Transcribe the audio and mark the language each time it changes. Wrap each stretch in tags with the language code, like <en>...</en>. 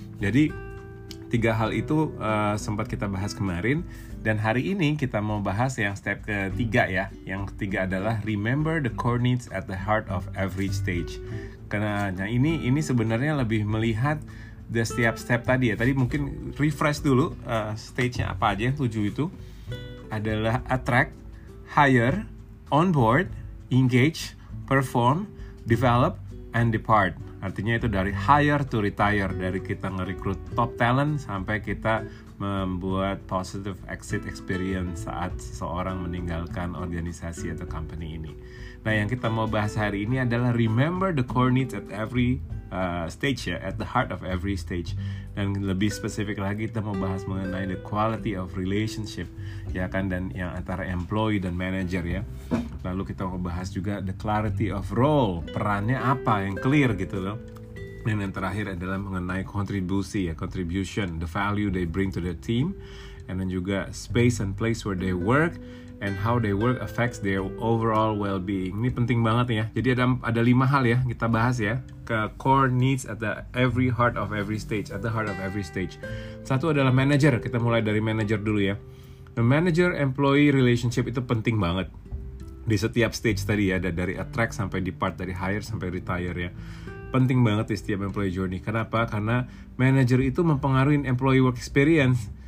<id>Jadi 3 hal itu sempat kita bahas kemarin, dan hari ini kita mau bahas yang step ketiga, ya. Yang ketiga adalah</id> <en>remember the core needs at the heart of every stage.</en> <id>Karena ini sebenarnya lebih melihat di setiap step tadi, ya. Tadi mungkin refresh dulu stage-nya apa aja yang 7 itu.</id> <en>Adalah attract, hire, onboard, engage, perform, develop, and depart.</en> <id>Artinya itu dari</id> <en>hire to retire,</en> <id>dari kita ngerekrut</id> <en>top talent</en> <id>sampai kita membuat</id> <en>positive exit experience</en> <id>saat seseorang meninggalkan organisasi atau company ini. Nah, yang kita mau bahas hari ini adalah</id> <en>remember the core needs at every stage, ya, at the heart of every stage.</en> <id>Dan lebih spesifik lagi, kita mau bahas mengenai</id> <en>the quality of relationship,</en> <id>ya kan, dan yang antara employee dan manager, ya. Lalu kita mau bahas juga</id> <en>the clarity of role,</en> <id>perannya apa yang clear gitu loh. Dan yang terakhir adalah mengenai kontribusi, ya,</id> <en>contribution, the value they bring to the team, and then juga space and place where they work and how they work affects their overall well-being.</en> <id>Ini penting banget, ya. Jadi ada 5 hal, ya, kita bahas, ya.</id> <en>Ke core needs at the every heart of every stage, at the heart of every stage.</en> <id>Satu adalah manager. Kita mulai dari manager dulu, ya.</id> <en>The manager employee relationship</en> <id>itu penting banget di setiap stage tadi, ya, dari attract sampai depart, dari hire sampai retire, ya. Penting banget di setiap employee journey. Kenapa? Karena manager itu mempengaruhi</id> <en>employee work experience.</en>